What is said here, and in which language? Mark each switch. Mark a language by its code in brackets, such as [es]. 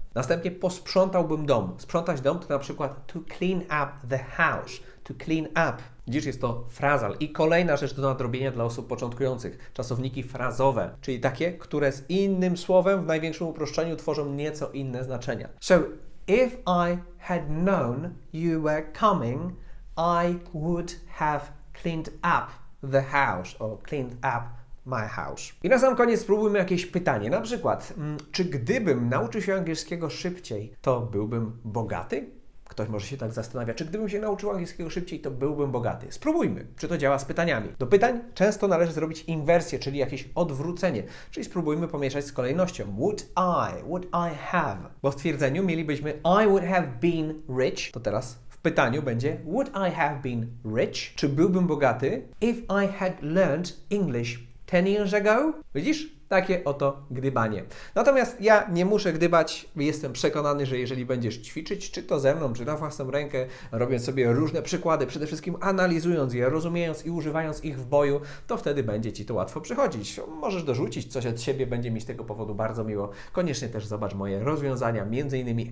[pl] Następnie posprzątałbym dom. Sprzątać dom to na przykład to clean up the house. To clean up. Widzisz, jest to frazal. I kolejna rzecz do nadrobienia dla osób początkujących. Czasowniki frazowe, czyli takie, które z innym słowem w największym uproszczeniu tworzą nieco inne znaczenia. [en] So, if I had known you were coming, I would have cleaned up the house. Or cleaned up my house. [pl] I na sam koniec spróbujmy jakieś pytanie. Na przykład, czy gdybym nauczył się angielskiego szybciej, to byłbym bogaty? Ktoś może się tak zastanawia, czy gdybym się nauczył angielskiego szybciej, to byłbym bogaty. Spróbujmy, czy to działa z pytaniami. Do pytań często należy zrobić inwersję, czyli jakieś odwrócenie. Czyli spróbujmy pomieszać z kolejnością. [en] Would I have? [pl] Bo w stwierdzeniu mielibyśmy [en] I would have been rich. [pl] To teraz w pytaniu będzie [en] would I have been rich? [pl] Czy byłbym bogaty? [en] If I had learned English 10 years ago? [pl] Widzisz? Takie oto gdybanie. Natomiast ja nie muszę gdybać, jestem przekonany, że jeżeli będziesz ćwiczyć, czy to ze mną, czy na własną rękę, robiąc sobie różne przykłady, przede wszystkim analizując je, rozumiejąc i używając ich w boju, to wtedy będzie ci to łatwo przychodzić. Możesz dorzucić coś od siebie, będzie mi z tego powodu bardzo miło. Koniecznie też zobacz moje rozwiązania, m.in.